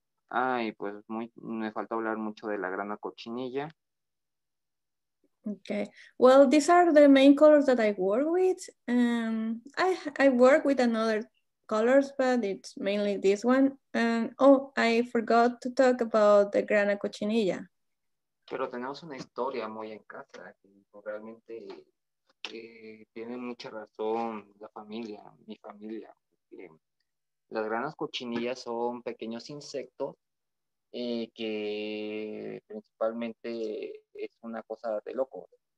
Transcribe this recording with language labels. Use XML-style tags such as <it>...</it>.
<es>Ah, y pues me falta hablar mucho de la grana cochinilla.</es> <en>Okay. Well, these are the main colors that I work with. I work with another colors, but it's mainly this one. I forgot to talk about the grana cochinilla.</en> <es>Pero tenemos una historia muy en casa, que realmente tiene mucha razón la familia, mi familia. Las granas cochinillas son pequeños insectos que principalmente es una cosa de loco.</es>